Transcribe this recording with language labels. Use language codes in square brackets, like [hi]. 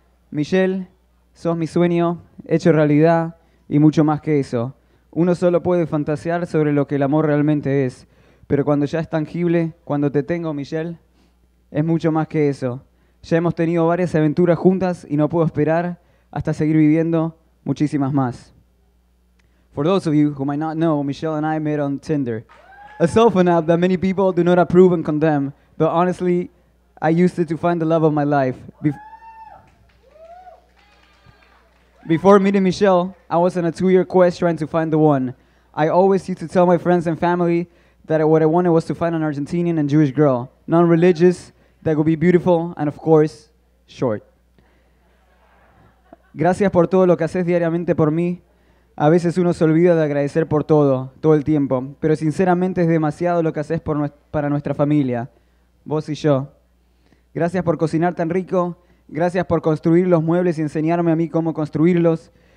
[es] Michelle, sos mi sueño, hecho realidad y mucho más que eso. Uno solo puede fantasear sobre lo que el amor realmente es, pero cuando ya es tangible, cuando te tengo, Michelle, es mucho más que eso. Ya hemos tenido varias aventuras juntas y no puedo esperar hasta seguir viviendo muchísimas más. [en] For those of you who might not know, Michelle and I met on Tinder, a cell phone app that many people do not approve and condemn, but honestly, I used it to find the love of my life. Before meeting Michelle, I was on a two-year quest trying to find the one. I always used to tell my friends and family that what I wanted was to find an Argentinian and Jewish girl, non-religious, that would be beautiful, and of course, short. [es] Gracias por todo lo que haces diariamente por mí. A veces uno se olvida de agradecer por todo, todo el tiempo. Pero sinceramente es demasiado lo que haces para nuestra familia, vos y yo. Gracias por cocinar tan rico. Gracias por construir los muebles y enseñarme a mí cómo construirlos.